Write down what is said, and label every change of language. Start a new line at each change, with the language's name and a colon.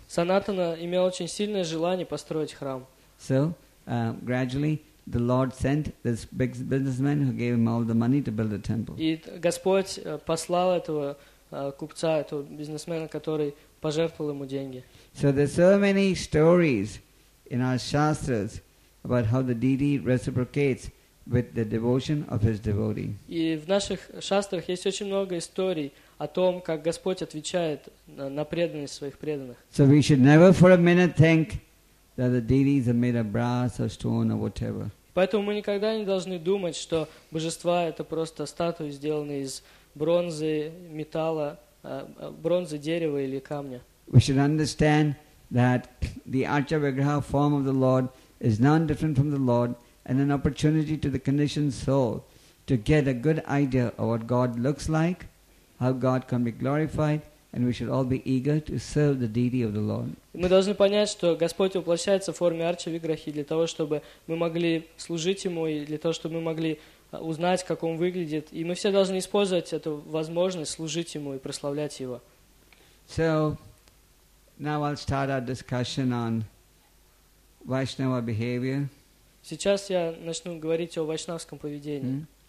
Russian: Санатана имел очень сильное желание построить храм.
English: So gradually the Lord sent this big businessman who gave him all the money to build the temple.
Russian: И Господь послал этого купца, этого бизнесмена, который пожертвовал ему деньги.
English: So there's so many stories in our shastras about how the deity reciprocates with the devotion of his devotee.
Russian: И в наших шастрах есть очень много историй о том, как Господь отвечает на преданность своих преданных.
English: So we should never for a minute think that the deities are made of brass or stone or whatever.
Russian: Поэтому мы никогда не должны думать, что божества – это просто статуи, сделанные из бронзы, металла, бронзы, дерева или камня.
English: We should understand that the Archavagraha form of the Lord is none different from the Lord and an opportunity to the conditioned soul to get a good idea of what God looks like, how God can be glorified, and we should all be eager to serve the deity of the Lord.
Russian: Мы должны понять, что Господь воплощается в форме Арчавиграхи для того, чтобы мы могли служить Ему и для того, чтобы мы могли узнать, как Он выглядит. И мы все должны использовать эту возможность служить Ему и прославлять Его.
English: So, now I'll start our discussion on Vaishnava behavior.
Russian: Сейчас я начну говорить о вайшнавском поведении.